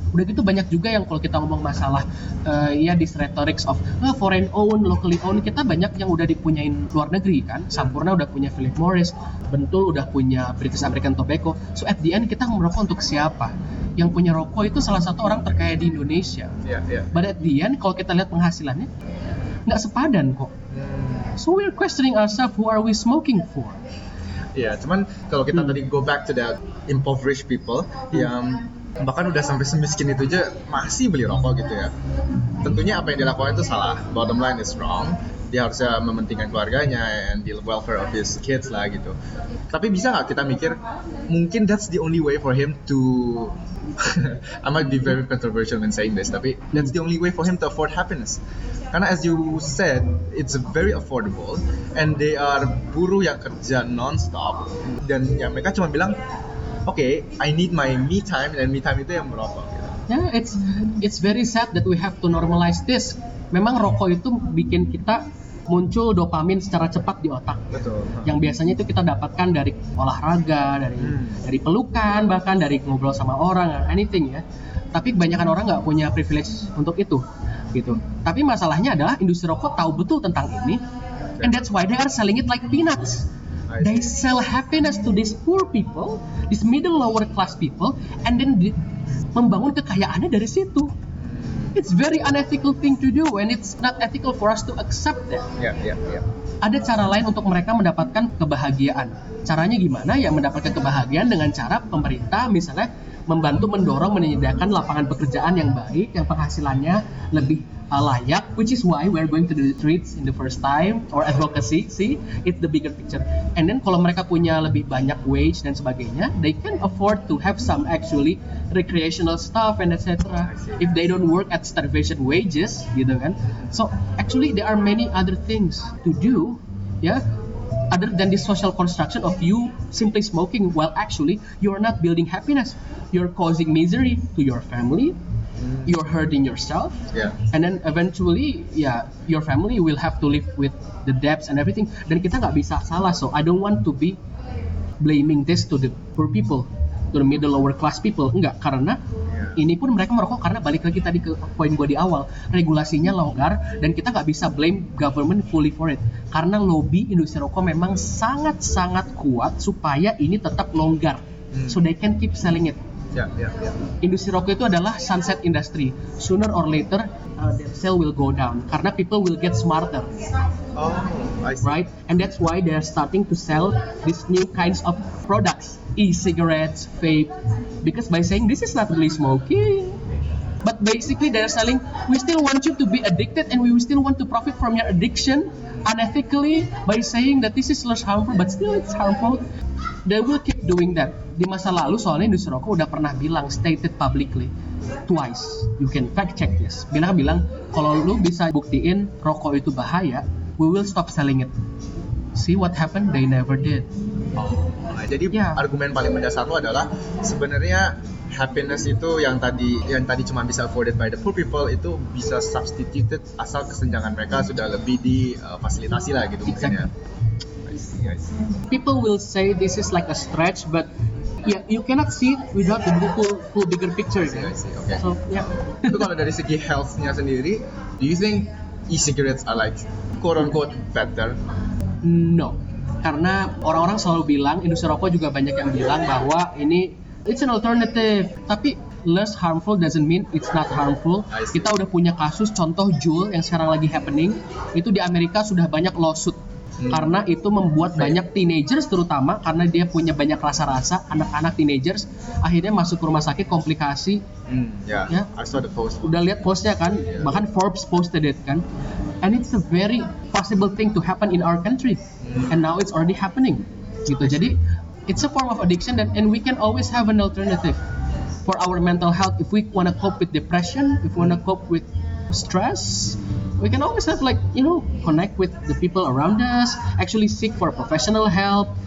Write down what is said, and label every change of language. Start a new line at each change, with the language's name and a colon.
Indonesian: Udah gitu banyak juga yang kalau kita ngomong masalah, ya
English: this rhetorics of foreign owned, locally owned,
Indonesian: kita banyak yang udah dipunyain luar negeri kan? Sampurna udah punya Philip Morris, Bentul udah punya British American Tobacco.
English: So, at the end
Indonesian: kita ngerokok untuk siapa? Yang punya rokok itu salah satu orang terkaya di Indonesia. Yeah,
English: yeah. But at the end,
Indonesian: kalau kita lihat penghasilannya, nggak sepadan kok.
English: So we're questioning ourselves, who are we smoking for?
Indonesian: Yeah, cuman kalau kita tadi
English: go back to the impoverished people
Indonesian: yang bahkan udah sampai semiskin itu aja masih beli rokok gitu ya. Tentunya apa yang dilakukan itu salah.
English: Bottom line is wrong.
Indonesian: Dia harusnya mementingkan keluarganya
English: and the welfare of his kids
Indonesian: lah gitu. Tapi bisa nggak kita mikir mungkin
English: that's the only way for him to I might be very controversial when saying this, tapi that's the only way for him to afford happiness. Karena as you said, it's very affordable and they are
Indonesian: buruh yang kerja non-stop dan ya mereka cuma bilang
English: okay, I need my me time, and me time
Indonesian: itu yang merokok gitu.
English: Yeah, it's very sad that we have to normalize this.
Indonesian: Memang rokok itu bikin kita muncul dopamin secara cepat di otak. Betul. Yang biasanya itu kita dapatkan dari olahraga, dari pelukan, bahkan dari ngobrol sama orang, anything ya. Tapi kebanyakan orang nggak punya privilege untuk itu, gitu. Tapi masalahnya adalah industri rokok tahu betul tentang ini,
English: and that's why they are selling it like peanuts. They sell happiness to these poor people, these middle lower class people, and then
Indonesian: membangun kekayaannya dari situ.
English: It's very unethical thing to do, and it's not ethical for us to accept that.
Indonesian: Ada cara lain untuk mereka mendapatkan kebahagiaan. Caranya gimana? Ya, mendapatkan kebahagiaan dengan cara pemerintah misalnya membantu mendorong menyediakan lapangan pekerjaan yang baik, yang penghasilannya lebih
English: layak, which is why we're going to the streets in the first time or advocacy, see, it's the bigger picture. And then
Indonesian: kalau mereka punya lebih banyak wage dan sebagainya,
English: they can afford to have some actually recreational stuff and etc. If they don't work at starvation wages,
Indonesian: gitu kan.
English: So actually there are many other things to do, yeah, other than the social construction of you simply smoking, while actually you're not building happiness, you're causing misery to your family, you're hurting yourself, yeah. And then eventually, yeah, your family will have to live with the debts and everything.
Indonesian: Dan kita nggak bisa salah,
English: so I don't want to be blaming this to the poor people, to the middle lower class people,
Indonesian: enggak, karena
English: yeah.
Indonesian: Ini pun mereka merokok karena balik lagi tadi ke poin gua di awal, regulasinya longgar dan kita nggak bisa
English: blame government fully for it,
Indonesian: karena lobby industri rokok memang sangat-sangat kuat supaya ini tetap longgar,
English: so they can keep selling it. Yeah.
Indonesian: Industri rokok itu adalah sunset industry.
English: Sooner or later, their sale will go down. Karena people will get smarter. Oh, I see. Right? And that's why they are starting to sell these new kinds of products. E-cigarettes, vape. Because by saying this is not really smoking, but basically they are selling, we still want you to be addicted and we still want to profit from your addiction unethically by saying that this is less harmful, but still it's harmful. They will keep doing that.
Indonesian: Di masa lalu soalnya industri rokok udah pernah bilang,
English: stated publicly twice, you can fact check this,
Indonesian: mereka bilang kalau lu bisa buktiin rokok itu bahaya,
English: we will stop selling it. See what happened? They never did.
Indonesian: Jadi yeah. Argumen paling mendasar lu adalah sebenarnya happiness itu yang tadi cuma bisa
English: afforded by the poor people
Indonesian: itu bisa substituted asal kesenjangan mereka sudah lebih difasilitasi lah gitu.
English: Exactly. I see. People will say this is like a stretch, but yeah, you cannot see it without the full bigger picture. I see. Okay. So, yeah.
Indonesian: Kalau dari segi healthnya sendiri,
English: do you think e-cigarettes are like quote unquote better?
Indonesian: No. Karena orang-orang selalu bilang, industri rokok juga banyak yang bilang bahwa ini
English: it's an alternative,
Indonesian: tapi
English: less harmful doesn't mean it's not harmful.
Indonesian: Kita udah punya kasus contoh Juul yang sekarang lagi happening, itu di Amerika sudah banyak lawsuit. Karena itu membuat banyak teenagers, terutama karena dia punya banyak rasa-rasa, anak-anak teenagers akhirnya masuk ke rumah sakit komplikasi.
English: Yeah. I saw the post.
Indonesian: Udah lihat postnya kan, yeah. Bahkan Forbes posted it kan.
English: And it's a very possible thing to happen in our country. And now it's already happening. Gitu. Jadi it's a form of addiction and we can always have an alternative for our mental health. If we wanna cope with depression, if we wanna cope with stress, we can always have like, you know, connect with the people around us, actually seek for professional help.